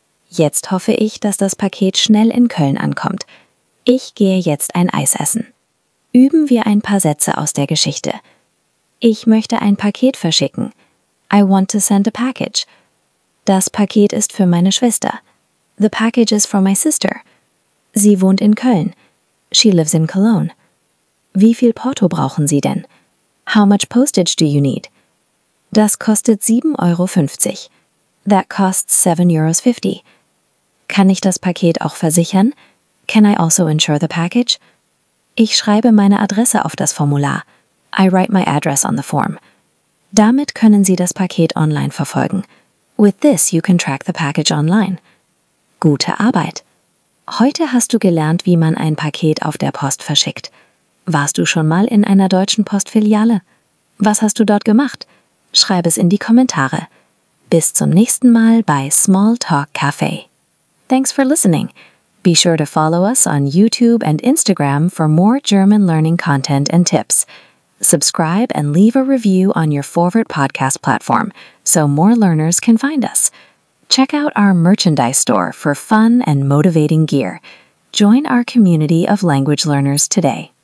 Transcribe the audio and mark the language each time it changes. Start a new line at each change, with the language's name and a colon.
German: Jetzt hoffe ich, dass das Paket schnell in Köln ankommt. Ich gehe jetzt ein Eis essen. Üben wir ein paar Sätze aus der Geschichte. Ich möchte ein Paket verschicken.
English: I want to send a package.
German: Das Paket ist für meine Schwester.
English: The package is for my sister.
German: Sie wohnt in Köln.
English: She lives in Cologne.
German: Wie viel Porto brauchen Sie denn?
English: How much postage do you need?
German: Das kostet 7,50 Euro.
English: That costs 7,50 Euro.
German: Kann ich das Paket auch versichern?
English: Can I also insure the package?
German: Ich schreibe meine Adresse auf das Formular.
English: I write my address on the form.
German: Damit können Sie das Paket online verfolgen.
English: With this you can track the package online.
German: Gute Arbeit! Heute hast du gelernt, wie man ein Paket auf der Post verschickt. Warst du schon mal in einer deutschen Postfiliale? Was hast du dort gemacht? Schreib es in die Kommentare. Bis zum nächsten Mal bei Small Talk Cafe.
English: Thanks for listening. Be sure to follow us on YouTube and Instagram for more German learning content and tips. Subscribe and leave a review on your favorite podcast platform so more learners can find us. Check out our merchandise store for fun and motivating gear. Join our community of language learners today.